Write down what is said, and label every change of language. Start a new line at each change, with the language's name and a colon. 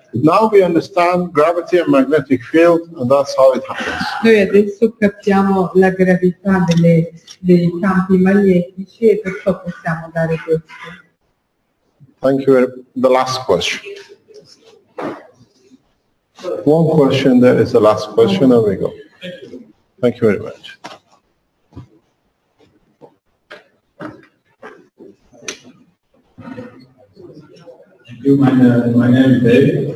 English: Now we understand gravity and magnetic field, and that's how it happens.
Italian: Noi adesso capiamo la gravità dei campi magnetici e perciò possiamo dare questo.
English: Thank you. The last question. One question, that is the last question, and we go. Thank you very much. Thank you. My name is Dave.